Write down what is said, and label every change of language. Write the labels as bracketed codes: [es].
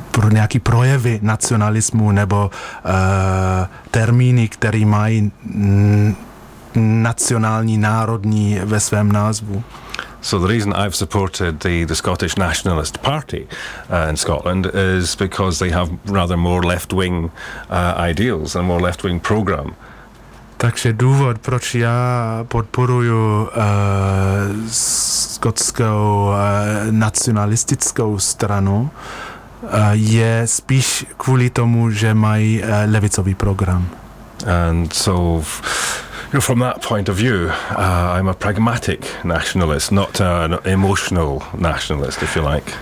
[cs] nějaký projevy nacionalismu nebo termíny, které mají nacionální, národní ve svém názvu. [en] So the reason I've supported the Scottish Nationalist Party in Scotland is because they have rather more left-wing ideals and more left-wing program. [cs] Takže důvod, proč já podporuju skotskou nacionalistickou stranu, je spíš kvůli tomu, že mají levicový program. [en] And so you know, from that point of view, I'm a pragmatic nationalist, not an emotional nationalist, if you like.